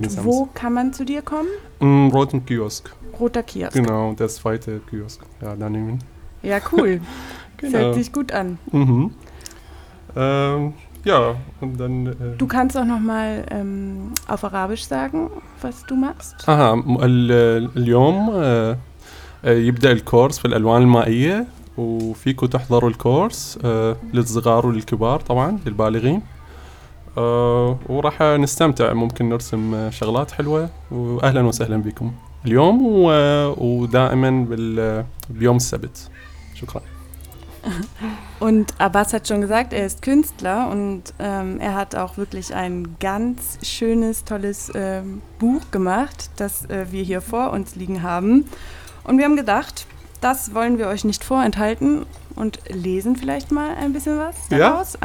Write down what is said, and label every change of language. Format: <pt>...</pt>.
<de>Wo kann man zu dir kommen? Im Roten Kiosk. Roter Kiosk. Genau, der zweite Kiosk. Ja, daneben. Ja, cool. Genau. Fällt sich gut an. Mhm. Ja, und dann... Du kannst auch nochmal auf Arabisch sagen, was du machst.</de> <ar>Aha, اليوم يبدأ الكورس في الألوان المائية وفيكم تحضروا الكورس للصغار والكبار طبعاً للبالغين. وراح نستمتع ممكن نرسم شغلات حلوة وأهلا وسهلا بكم اليوم ودائما باليوم السبت شكرا.</ar> <de>Und Abbas hat schon gesagt, er ist Künstler und er hat auch wirklich ein ganz schönes, tolles Buch gemacht, das wir hier vor uns liegen haben. Und wir haben gedacht, das wollen wir euch nicht vorenthalten und lesen vielleicht mal ein bisschen was daraus.</de>